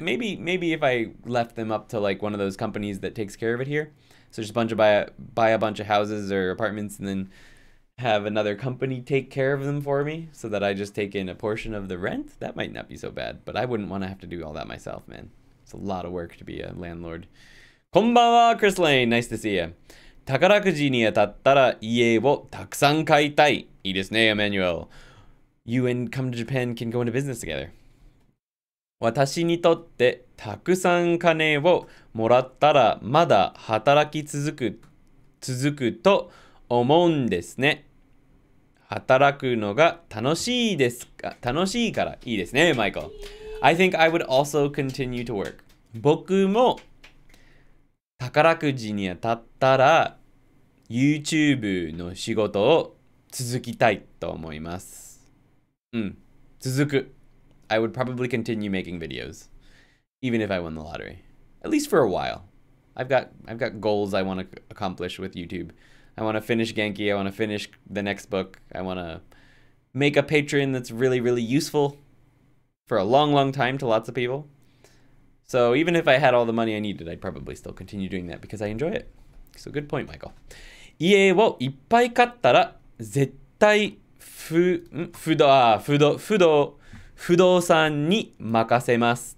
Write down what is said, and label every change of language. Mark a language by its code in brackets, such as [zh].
[en] Maybe if I left them up to like one of those companies that takes care of it here. So just buy a bunch of houses or apartments and then have another company take care of them for me so that I just take in a portion of the rent. That might not be so bad, but I wouldn't want to have to do all that myself, man. It's a lot of work to be a landlord. [ja] こんばんは、 [en] Chris Lane. Nice to see you. [ja] 宝くじに当たったら家をたくさん買いたい。いいですね、Emmanuel. [en] You and come to Japan can go into business together. [ja] 私にとってたくさん金をもらったらまだ働き続くと思うんですね。働くのが楽しいですか？楽しいからいいですね、マイコ。 [en] I think I would also continue to work. [ja] 僕も宝くじに当たったら YouTube の仕事を続きたいと思います。うん、続く。 [en] I would probably continue making videos, even if I won the lottery. At least for a while. I've got goals I want to accomplish with YouTube. I want to finish Genki. I want to finish the next book. I want to make a patron that's really, really useful for a long, long time to lots of people. So even if I had all the money I needed, I'd probably still continue doing that because I enjoy it. So good point, Michael. [ja] 家をいっぱい買ったら絶対不動産に任せます。